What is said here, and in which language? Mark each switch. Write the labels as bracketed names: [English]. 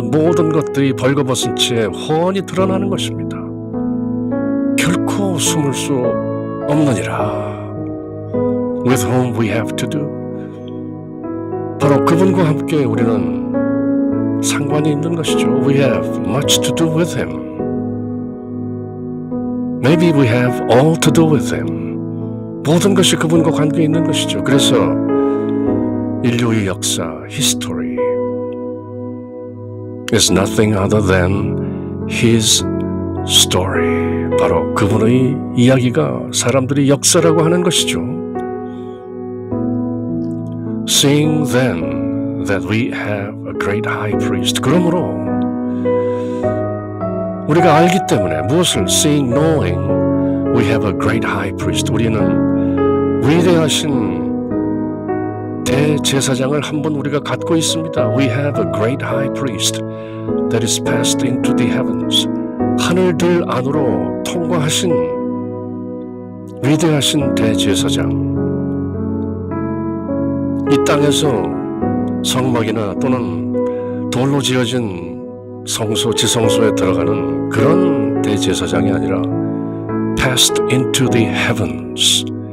[Korean] 모든 것들이 벌거벗은 채 훤히 드러나는 것입니다. 결코 숨을 수 없느니라. [English] With whom we have to do. [Korean] 바로 그분과 함께 우리는 상관이 있는 것이죠. [English] We have much to do with him. Maybe we have all to do with him. [Korean] 모든 것이 그분과 관계 있는 것이죠. 그래서 인류의 역사, [English] history is nothing other than his [Korean] 스토리. 바로 그분의 이야기가 사람들의 역사라고 하는 것이죠. [English] Seeing then that we have a great high priest. [Korean] 그러므로 우리가 알기 때문에 무엇을 [English] seeing, knowing, we have a great high priest. [Korean] 우리는 위대하신 대제사장을 한번 우리가 갖고 있습니다. [English] We have a great high priest that is passed into the heavens. [Korean] 하늘들 안으로 통과하신 위대하신 대제사장. 이 땅에서 성막이나 또는 돌로 지어진 성소, 지성소에 들어가는 그런 대제사장이 아니라 [English] passed into the heavens.